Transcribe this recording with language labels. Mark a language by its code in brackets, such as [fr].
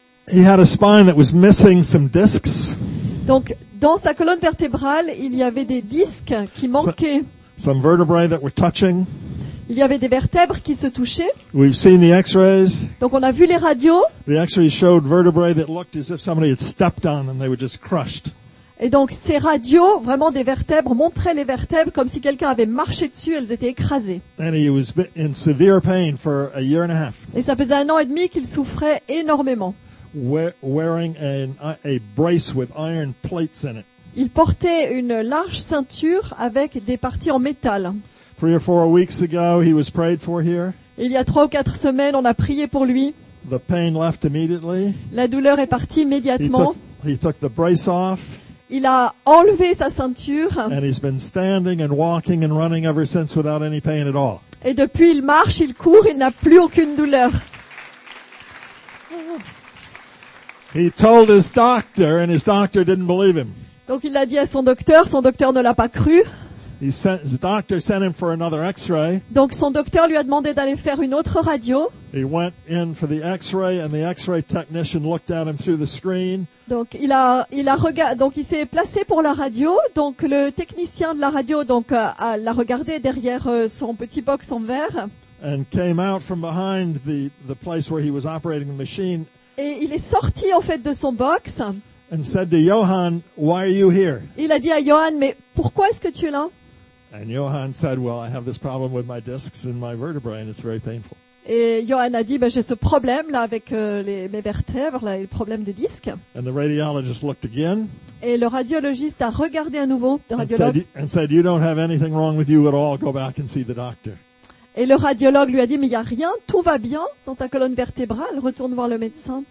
[en] He had a spine that was missing some discs. [fr] Donc, dans sa colonne vertébrale, il y avait des disques qui manquaient. [en] Some vertebrae that were touching. [fr] Il y avait des vertèbres qui se touchaient. [en] We've seen the x-rays. [fr] Donc, on a vu les radios. [en] The x-rays showed vertebrae that looked as if somebody had stepped on them, they were just crushed. [fr] Et donc, ces radios, vraiment des vertèbres, montraient les vertèbres comme si quelqu'un avait marché dessus, elles étaient écrasées. [en] And he was in severe pain for a year and a half. [fr] Et ça faisait un an et demi qu'il souffrait énormément. [en] Wearing a brace with iron plates in it. [fr] Il portait une large ceinture avec des parties en métal. [en] Three or four weeks ago, he was prayed for here. [fr] Il y a 3 ou 4 semaines, on a prié pour lui. [en] The pain left immediately. [fr] La douleur est partie immédiatement. [en] He took the brace off. [fr] Il a enlevé sa ceinture. [en] And he's been standing and walking and running ever since without any pain at all. [fr] Et depuis, il marche, il court, il n'a plus aucune douleur. [en] He told his doctor, and his doctor didn't believe him. [fr] Donc il l'a dit à son docteur ne l'a pas cru. [en] His doctor sent him for another x-ray. [fr] Donc son docteur lui a demandé d'aller faire une autre radio. [en] He went in for the x-ray, and the x-ray technician looked at him through the screen. [fr] Donc il s'est placé pour la radio. Donc le technicien de la radio l'a regardé derrière son petit box en verre. [en] And came out from behind the place where he was operating the machine. [fr] Et il est sorti en fait de son box. [en] And said to Johan, "Why are you here?" [fr] Il a dit à Johan, mais pourquoi est-ce que tu es là? [en] And Johan said, "Well, I have this problem with my discs and my vertebrae, and it's very painful." [fr] Et Johan a dit, j'ai ce problème là avec mes vertèbres, là, le problème de disque. [en] And the radiologist looked again. [fr] Et le radiologiste a regardé à nouveau. [en] And said, "You don't have anything wrong with you at all. Go back and see the doctor." [fr] Et le radiologue lui a dit, mais il n'y a rien, tout va bien dans ta colonne vertébrale, retourne voir le médecin.